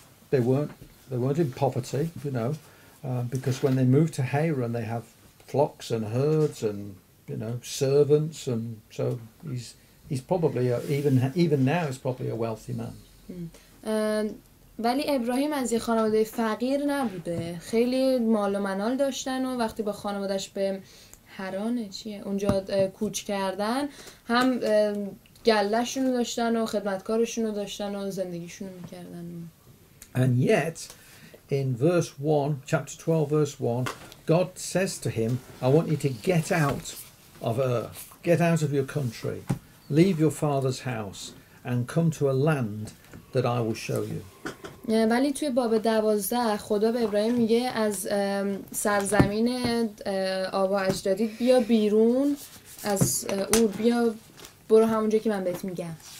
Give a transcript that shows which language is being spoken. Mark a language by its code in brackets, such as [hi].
[en] They weren't in poverty, you know, because when they moved to Haran, they have flocks and herds and, you know, servants, and so he's probably even now he's probably a wealthy man. [fa] ولی ابراهیم از یه خانواده فقیر نبوده. خیلی مال و منال داشتن و وقتی با خانوادهش به هرانه چیه اونجا کوچ کردن، هم گلهشون رو داشتن و خدمتکارشون رو داشتن و زندگیشون رو میکردن. [en] And yet in verse 1, chapter 12 verse 1, God says to him, I want you to get out of Ur, get out of your country, leave your father's house and come to a land that I will show you. [fa] ولی توی باب 12 خدا به ابراهیم میگه از سرزمین آبا اجدادی بیا بیرون، از اور بیا، برو همونجا که من بهت میگم.